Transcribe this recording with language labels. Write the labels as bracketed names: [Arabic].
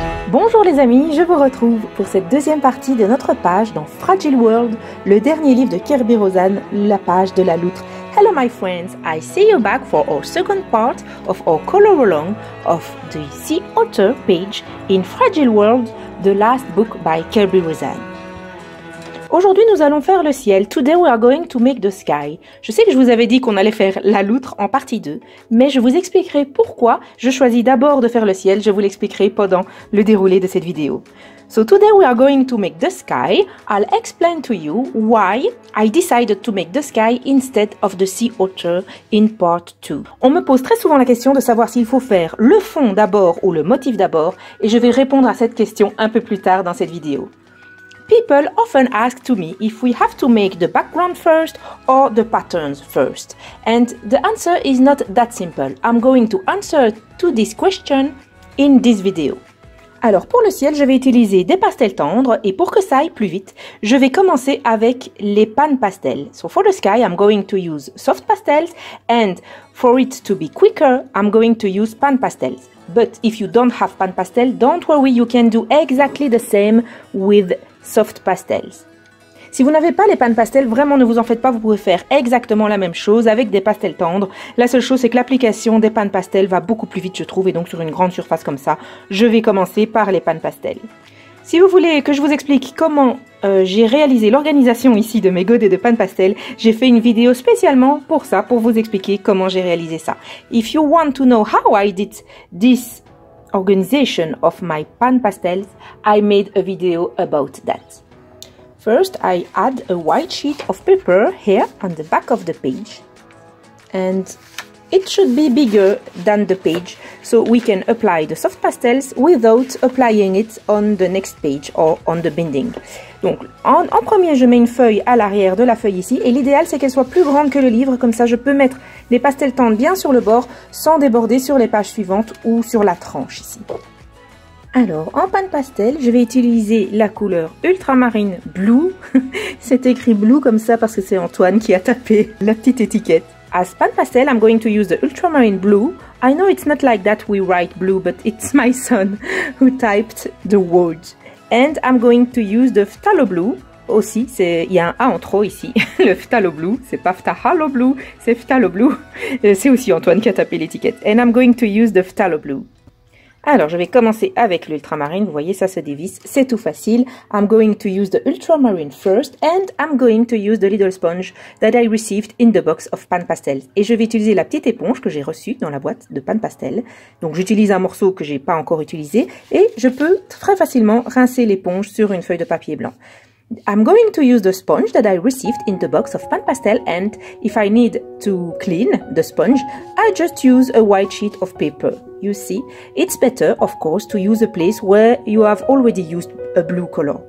[French] Bonjour les amis, je vous retrouve pour cette deuxième partie de notre page dans Fragile World, le dernier livre de Kerby Rosanes, la page de la loutre. [English] Hello my friends, I see you back for our second part of our color along of the sea otter page in Fragile World, the last book by Kerby Rosanes. [French] Aujourd'hui, nous allons faire le ciel. [English] Today we are going to make the sky. [French] Je sais que je vous avais dit qu'on allait faire la loutre en partie 2, mais je vous expliquerai pourquoi je choisis d'abord de faire le ciel. Je vous l'expliquerai pendant le déroulé de cette vidéo. [English] So today we are going to make the sky. I'll explain to you why I decided to make the sky instead of the sea otter in part 2. [French] On me pose très souvent la question de savoir s'il faut faire le fond d'abord ou le motif d'abord, et je vais répondre à cette question un peu plus tard dans cette vidéo. [English] People often ask to me if we have to make the background first or the patterns first. And the answer is not that simple. I'm going to answer to this question in this video. [French] Alors pour le ciel, je vais utiliser des pastels tendres et pour que ça aille plus vite, je vais commencer avec les PanPastels. [English] So for the sky, I'm going to use soft pastels and for it to be quicker, I'm going to use PanPastels. But if you don't have PanPastels, don't worry, you can do exactly the same with soft pastels. [French] Si vous n'avez pas les PanPastels, vraiment ne vous en faites pas, vous pouvez faire exactement la même chose avec des pastels tendres. La seule chose, c'est que l'application des PanPastels va beaucoup plus vite, je trouve, et donc sur une grande surface comme ça, je vais commencer par les PanPastels. Si vous voulez que je vous explique comment j'ai réalisé l'organisation ici de mes godets de PanPastels, j'ai fait une vidéo spécialement pour ça, pour vous expliquer comment j'ai réalisé ça. [English] If you want to know how I did this organization of my PanPastels, I made a video about that. First, I add a white sheet of paper here on the back of the page, and it should be bigger than the page so we can apply the soft pastels without applying it on the next page or on the binding. [French] Donc en premier, je mets une feuille à l'arrière de la feuille ici, et l'idéal c'est qu'elle soit plus grande que le livre, comme ça je peux mettre les pastels tendres bien sur le bord sans déborder sur les pages suivantes ou sur la tranche ici. Alors, en PanPastel, je vais utiliser la couleur ultramarine blue. C'est écrit blue comme ça parce que c'est Antoine qui a tapé la petite étiquette. [English] As PanPastel, I'm going to use the ultramarine blue. I know it's not like that we write blue, but it's my son who typed the word. And I'm going to use the phthalo blue. [French] Aussi, il y a un A en trop ici. Le phthalo blue, c'est pas phthalo blue, c'est phthalo blue. C'est aussi Antoine qui a tapé l'étiquette. [English] And I'm going to use the phthalo blue. [French] Alors, je vais commencer avec l'ultramarine. Vous voyez, ça se dévisse. C'est tout facile. [English] I'm going to use the ultramarine first and I'm going to use the little sponge that I received in the box of PanPastels. [French] Et je vais utiliser la petite éponge que j'ai reçue dans la boîte de PanPastels. Donc, j'utilise un morceau que j'ai pas encore utilisé et je peux très facilement rincer l'éponge sur une feuille de papier blanc. [English] I'm going to use the sponge that I received in the box of PanPastels, and if I need to clean the sponge, I just use a white sheet of paper. You see, it's better, of course, to use a place where you have already used a blue color.